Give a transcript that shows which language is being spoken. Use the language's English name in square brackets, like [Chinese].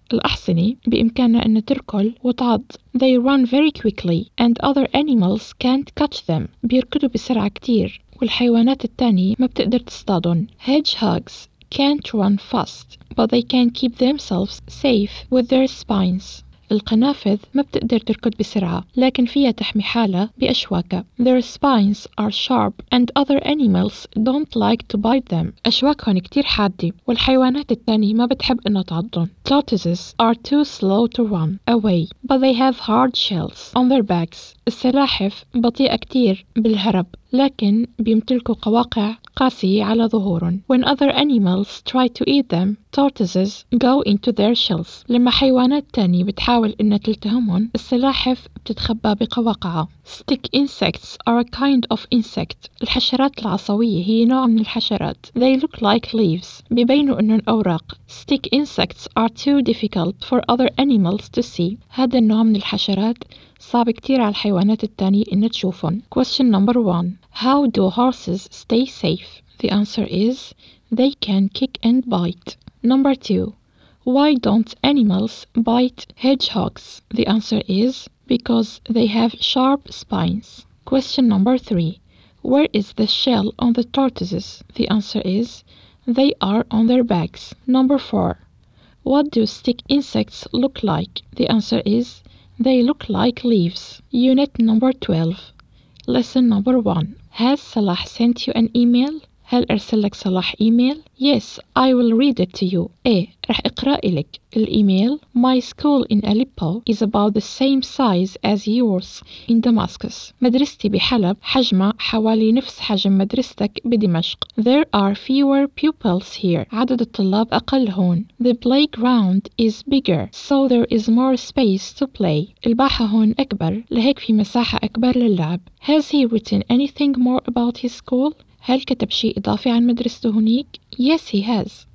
[Arabic] الأحصنة بإمكانها أن تركل وتعض. [English] They run very quickly and other animals can't catch them. [Arabic] بيركضوا بسرعة كتير والحيوانات التانية ما بتقدر تصطادهم. [English] Hedgehogs can't run fast, but they can keep themselves safe with their spines. [Arabic] القنافذ ما بتقدر تركض بسرعة لكن فيها تحمي حالها بأشواكها. [English] Their spines are sharp and other animals don't like to bite them. [Arabic] أشواكهم كتير حادة والحيوانات التانية ما بتحب إنها تعضهم. [English] Tortoises are too slow to run away, but they have hard shells on their backs. [Arabic] السلاحف بطيئة كتير بالهرب لكن بيمتلكوا قواقع قاسية على ظهورهم. [English] When other animals try to eat them, tortoises go into their shells. [Arabic] لما حيوانات تانية بتحاول إنها تلتهمهم السلاحف بتتخبى بقواقعها. [English] Stick insects are a kind of insect. [Arabic] الحشرات العصوية هي نوع من الحشرات. [English] They look like leaves. [Arabic] بيبينوا إنهم أوراق. [English] Stick insects are too difficult for other animals to see. [Arabic] هذا النوع من الحشرات صعب كتير على الحيوانات التانية إن تشوفهم. [English] Question number 1. How do horses stay safe? The answer is, they can kick and bite. Number 2. Why don't animals bite hedgehogs? The answer is, because they have sharp spines. Question number 3. Where is the shell on the tortoises? The answer is, they are on their backs. Number 4. What do stick insects look like? The answer is, They look like leaves. Unit number 12. Lesson number 1. Has Salah sent you an email? [Arabic] هل أرسل لك صلاح إيميل؟ [English] Yes, I will read it to you. [Arabic] إيه, رح أقرأ لك. [English] الإيميل My school in Aleppo is about the same size as yours in Damascus. [Arabic] مدرستي بحلب حجمها حوالي نفس حجم مدرستك بدمشق. [English] There are fewer pupils here. [Arabic] عدد الطلاب أقل هون. [English] The playground is bigger, so there is more space to play. [Arabic] الباحة هون أكبر, لهيك في مساحة أكبر للعب. [English] Has he written anything more about his school? [Arabic] هل كتب شيء إضافي عن مدرسته هناك؟ [English] Yes, he has.